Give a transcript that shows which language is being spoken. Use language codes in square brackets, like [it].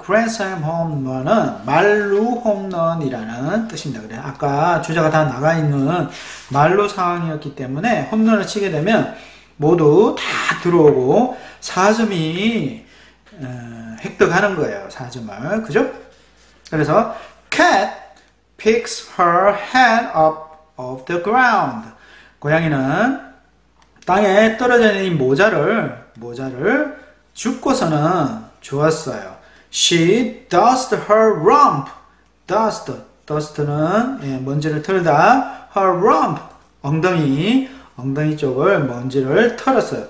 [ko] Grand Slam Home Run은 말루 홈런이라는 뜻입니다. 그래. 아까 주자가 다 나가 있는 말루 상황이었기 때문에 홈런을 치게 되면 모두 다 들어오고 4점이 획득하는 거예요. 4점을. 그죠? 그래서 [en] Cat picks her head up off the ground. [ko] 고양이는 땅에 떨어져 있는 모자를 죽고서는 좋았어요. [en] She dusted her rump. [ko] Dust는 예, 먼지를 털다. [en] Her rump, [ko] 엉덩이 쪽을 먼지를 털었어요.